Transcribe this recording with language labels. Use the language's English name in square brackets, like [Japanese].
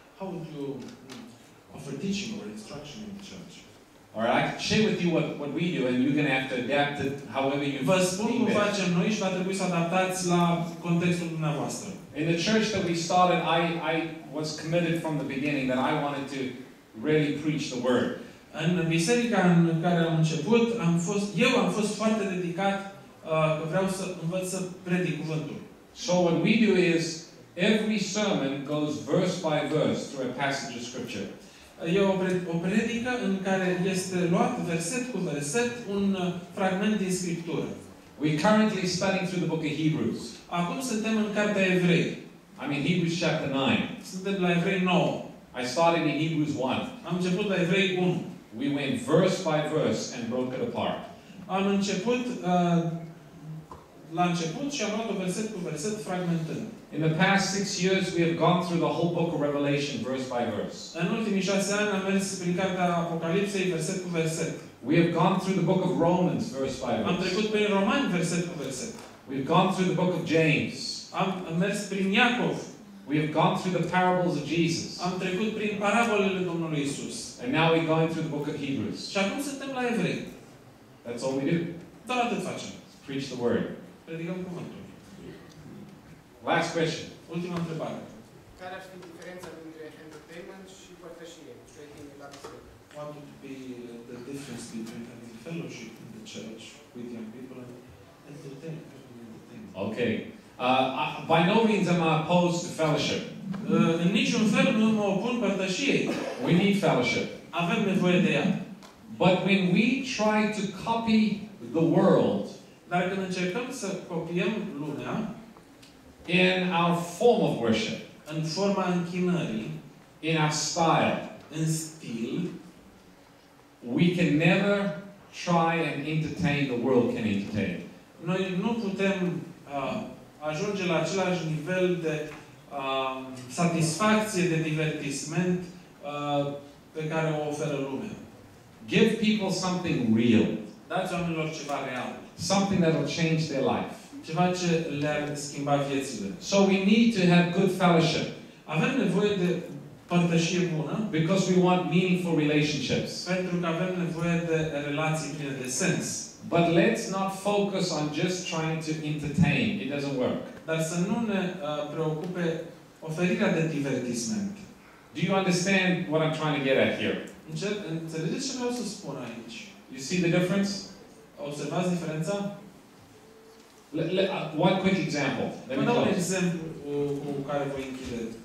[English] How would you offer teaching or instruction in the church? All right, I can share with you what we do and you're going to have to adapt it however you [Romanian] vă spun cum facem noi și va trebui să adaptați la contextul dumneavoastră. [English] In the church that we started, I was committed from the beginning that I wanted to really preach the word. [Romanian] În biserica în care am început, am fost foarte dedicat că vreau să învăț să predic cuvântul. [English] So what we do is every sermon goes verse by verse through a passage of scripture. [Romanian] E o predică în care este luat verset cu verset un fragment din scriptură. [English] We currently studying through the book of Hebrews. [Romanian] Acum suntem în cartea Evrei. [English] I'm in Hebrews chapter 9. [Romanian] Suntem la Evrei 9. [English] I started in Hebrews 1. [Romanian] Am început la Evrei 1. [English] We went verse by verse and broke it apart. [Romanian] Am început la început și am luat-o verset cu verset fragmentând. [English] In the past 6 years we have gone through the whole book of Revelation verse by verse. [Romanian] În ultimii 6 ani am mers prin cartea Apocalipsei verset cu verset. [English] We have gone through the book of Romans verse by verse. [Romanian] Am trecut prin Romani verset cu verset. [English] We have gone through the book of James. [Romanian] Am mers prin Iacov. [English] We have gone through the parables of Jesus. [Romanian] Am trecut prin parabolele Domnului Isus. [English] And now we're going through the book of Hebrews. [Romanian] Și acum suntem la Evrei. [English] That's all we do. [Romanian] Doar atât facem. [English] Preach the word. [Romanian] Predicăm cuvântul. [English] Last question. [Romanian] Ultima întrebare. Care aș fi diferența dintre entertainment și părtășie? Trading la biserică. [English] What would be the difference between having fellowship in the church with young people and entertainment? Okay. By no means am I opposed to fellowship. [Romanian] În niciun fel nu mă opun părtășiei. [English] We need fellowship. [Romanian] Avem nevoie de ea. [English] But when we try to copy the world, [Romanian] dar când încercăm să copiem lumea, [English] in our form of worship, [Romanian] în forma închinării, [English] in our style, [Romanian] în stil, [English] we can never try and entertain the world can entertain. [Romanian] Noi nu putem ajunge la același nivel de satisfacție, de divertisment pe care o oferă lumea. [English] Give people something real. [Romanian] Dați oamenilor ceva real. [English] Something that will change their life. [Romanian] Ceva ce le-ar schimba viețile. [English] So we need to have good fellowship. [Romanian] Avem nevoie de părtășie bună. [English] Because we want meaningful relationships. [Romanian] Pentru că avem nevoie de relații pline de sens. [English] But let's not focus on just trying to entertain. It doesn't work. [Romanian] Dar să nu ne preocupe oferirea de divertisment. [English] Do you understand what I'm trying to get at here? [Romanian] Înțelegeți ce vreau să spun aici? [English] You see the difference? [Romanian] Observați diferența? [English] One quick example. [Romanian] Un exemplu cu care voi închide.